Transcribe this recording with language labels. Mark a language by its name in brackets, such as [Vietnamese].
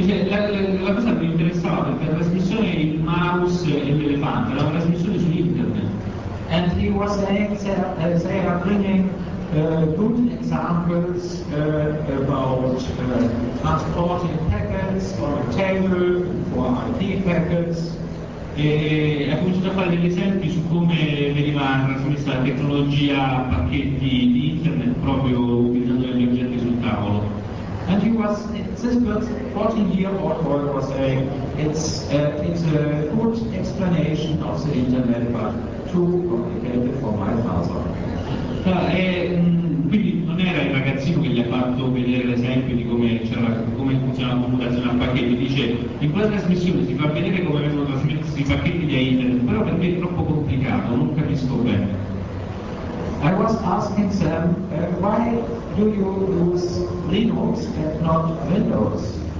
[Italian] Dice, la cosa che mi interessava perché la trasmissione è il mouse e l'elefante, la trasmissione su internet. [English] And he was saying they are bringing good examples about transporting packets on a table for IT packets. [Italian] E ha cominciato a fare degli esempi su come veniva trasmessa la tecnologia a pacchetti di internet proprio utilizzando degli oggetti sul tavolo. [English] And he was, this 14-year-old boy was saying, it's a good explanation of the internet, but too complicated for my father. [Italian] Quindi non era il ragazzino che gli ha fatto vedere l'esempio di come funziona la computazione a pacchetti. Dice, in quella trasmissione si fa vedere come vengono trasmessi i pacchetti via internet, però per me è troppo complicato, non capisco bene. [English] I was asking them, why do you use Linux and not Windows?